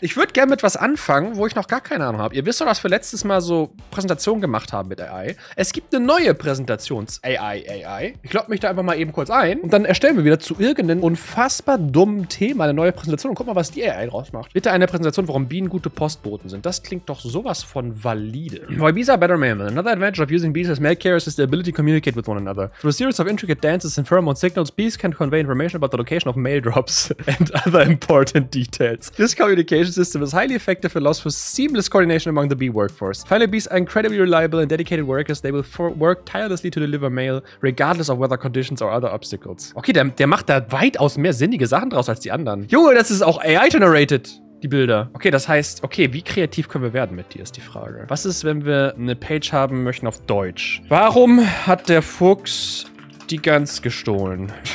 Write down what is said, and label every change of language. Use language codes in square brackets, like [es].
[de] Ich würde gerne mit was anfangen, wo ich noch gar keine Ahnung habe. Ihr wisst doch, was wir letztes Mal so Präsentationen gemacht haben mit AI. Es gibt eine neue Präsentations-AI. Ich klopfe mich da einfach mal eben kurz ein und dann erstellen wir wieder zu irgendeinem unfassbar dummen Thema eine neue Präsentation und guck mal, was die AI draus macht. Bitte eine Präsentation, warum Bienen gute Postboten sind. Das klingt doch sowas von valide. [en] Why bees are better mammals. Another advantage of using bees as mail carriers is the ability to communicate with one another. Through a series of intricate dances and pheromone signals, bees can convey information about the location of mail drops and other important details. This communication system is highly effective and allows for seamless coordination among the bee workforce. Finally, bees are incredibly reliable and dedicated workers. They will work tirelessly to deliver mail, regardless of weather conditions or other obstacles. [de] Okay, der macht da weitaus mehr sinnige Sachen draus als die anderen. Junge, das ist auch AI-generated! Die Bilder. Okay, das heißt, okay, wie kreativ können wir werden mit dir, ist die Frage. Was ist, wenn wir eine Page haben möchten auf Deutsch? Warum hat der Fuchs die Gans gestohlen?